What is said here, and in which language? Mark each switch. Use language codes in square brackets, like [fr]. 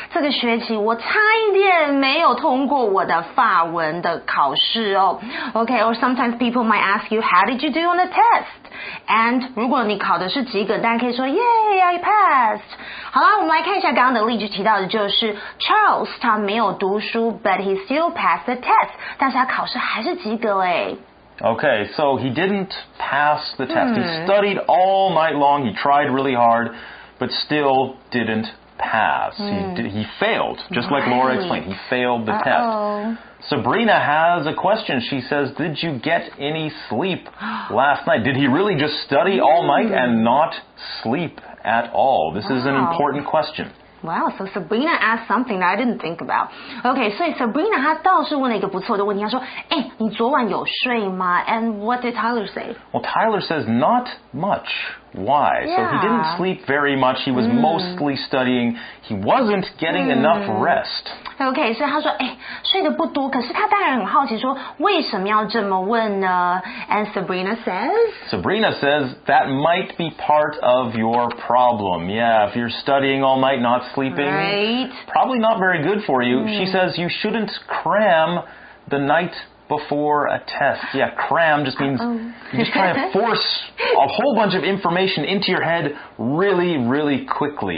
[zh] 这个学期我差一点没有通过我的法文的考试哦。 [en] OK, or sometimes people might ask you, how did you do on the test? [zh] And 如果你考的是及格，大家可以说 [en] Yay, I passed. [zh] 好啦，我们来看一下刚刚的例句提到的就是 Charles 他没有读书 [en] but he still passed the test. [zh] 但是他考试还是及格诶。 [en] Okay, so he didn't pass the test. He studied all night long, he tried really hard, but still didn't pass. He failed, just like Laura explained. He failed the test. Sabrina has a question. She says, did you get any sleep last night? Did he really just study all night and not sleep at all? This is an important question. Wow, so Sabrina asked something that I didn't think about. Okay, so [zh] Sabrina, 她倒是问了一个不错的问题，她说，诶，你昨晚有睡吗？ [en] And what did Tyler say? Well, Tyler says not much. Why? Yeah. So he didn't sleep very much. He was mostly studying. He wasn't getting enough rest. [zh] Okay, 所以她说，诶，睡得不多，可是她当然很好奇说，为什么要这么问呢？ [en] And Sabrina says? Sabrina says that might be part of your problem. Yeah, if you're studying all night, not sleeping, right. Probably not very good for you. She says you shouldn't cram the night before a test. Yeah, cram just means you just try to force a whole bunch of information into your head really, really quickly.